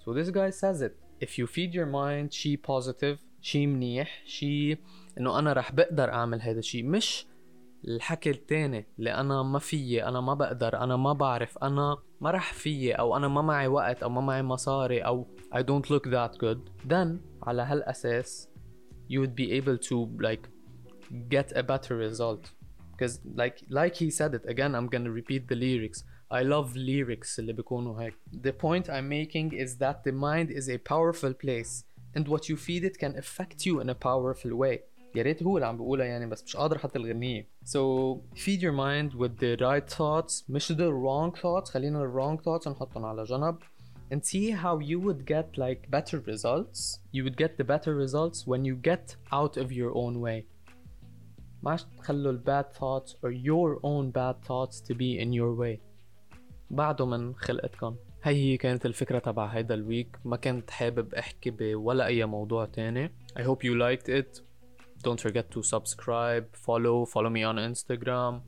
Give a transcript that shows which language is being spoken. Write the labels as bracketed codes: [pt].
[en] So this guy says it. If you feed your mind [ar] شي positive، شي منيح، شي انه انا رح بقدر اعمل هذا الشيء، مش الحكي التاني اللي انا ما فيي، انا ما بقدر، انا ما بعرف، انا ما رح فيي، او انا ما معي وقت، او ما معي مصاري، او [en] I don't look that good، [ar] then على هالاساس [en] you would be able to like get a better result. Because like he said it again, I'm gonna repeat the lyrics. I love lyrics [ar] اللي بيكونوا هيك. [en] The point I'm making is that the mind is a powerful place and what you feed it can affect you in a powerful way. [ar] ياريت هو اللي عم بقوله يعني، بس مش قادر حتى الغنية. [en] So feed your mind with the right thoughts، مش the wrong thoughts. خلينا the wrong thoughts [ar] نحطهم على جنب [en] and see how you would get like better results. You would get the better results when you get out of your own way. [ar] ماش تخلوا [en] the bad thoughts or your own bad thoughts to be in your way. [ar] بعده من خلقتكم. هي كانت الفكرة تبع هيدا الويك. ما كنت حابب احكي بولا اي موضوع تاني. [en] I hope you liked it. Don't forget to subscribe, follow me on Instagram.